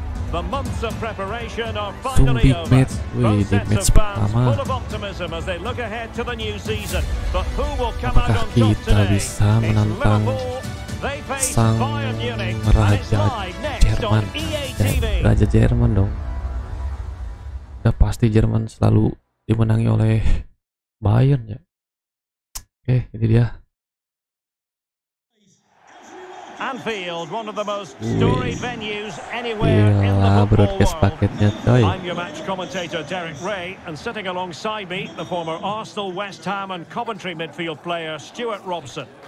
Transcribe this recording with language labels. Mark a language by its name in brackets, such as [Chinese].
[English] The months of preparation are finally over. Both sets of fans full of optimism as they look ahead to the new season. But who will come out on top today? It's Liverpool. They face Bayern Munich. And it's live next Jerman. On EATV. [Indonesian] Raja Jerman dong. Udah pasti Jerman selalu dimenangi oleh Bayern ya. Oke, ini dia. [English] Anfield, one of the most storied venues anywhere in the [Indonesian] paketnya, [English] world. I'm your match commentator Derek Ray, and sitting alongside me, the former Arsenal, West Ham, and Coventry midfield player Stuart Robson.